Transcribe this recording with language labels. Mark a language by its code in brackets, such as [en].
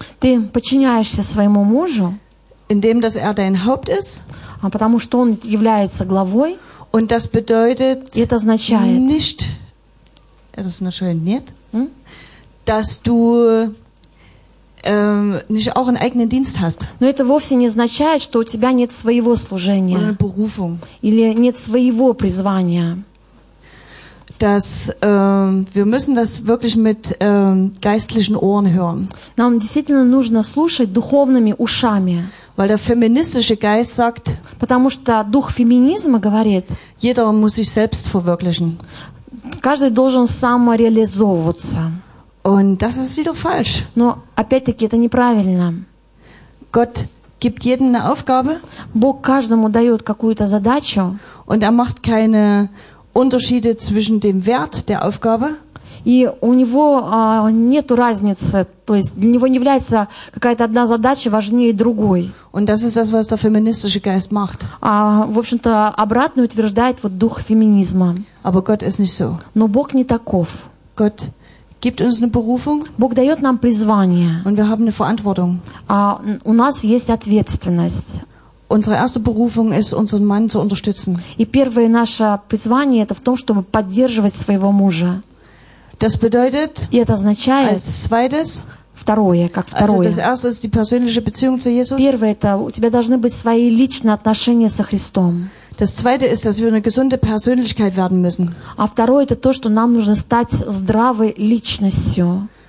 [ru] Ты подчиняешься своему мужу? [de] Indem dass er dein Haupt ist? [ru] Потому что он является главой? [de] Und das bedeutet? [ru] Это означает? [de] Nicht. [ru] Das означает нет. [de] Dass du nicht auch einen eigenen Dienst hast. [ru] Но это вовсе не означает, что у тебя нет своего служения. [de] Oder eine Berufung. [ru] Или нет своего призвания. [de] Dass wir müssen das wirklich mit geistlichen Ohren hören. [ru] Нам действительно нужно слушать духовными ушами. [de] Weil der feministische Geist sagt. [ru] Потому что дух феминизма говорит. [de] Jeder muss sich selbst verwirklichen. [ru] Каждый должен самореализовываться. [de] Und das ist wieder falsch. [ru] Но опять-таки это неправильно. [de] Gott gibt jedem eine Aufgabe. [ru] Бог каждому дает какую-то задачу. [de] Und er macht keine Unterschiede zwischen dem Wert der Aufgabe. [ru] И у него нету разницы, то есть для него не является какая-то одна задача важнее другой. [de] Und das ist das, was der feministische Geist macht. [ru] В общем-то, обратно утверждает вот дух феминизма. [de] Aber Gott ist nicht so. [ru] Но Бог не таков. [de] Gott gibt uns eine Berufung. [ru] Бог дает нам призвание. [de] Und wir haben eine Verantwortung. [ru] У нас есть ответственность. [de] Unsere erste Berufung ist, unseren Mann zu unterstützen. [ru] И первое наше призвание это в том, чтобы поддерживать своего мужа. [de] Das bedeutet, [ru] и это означает, [de] als zweites, [ru] второе, как второе. [de] Also das erste ist die persönliche Beziehung zu Jesus. [ru] Первое это у тебя должны быть свои личные отношения со Христом. [de] Das zweite ist, dass wir eine gesunde Persönlichkeit werden müssen. [ru] А второе это то, что нам нужно стать здравой личностью.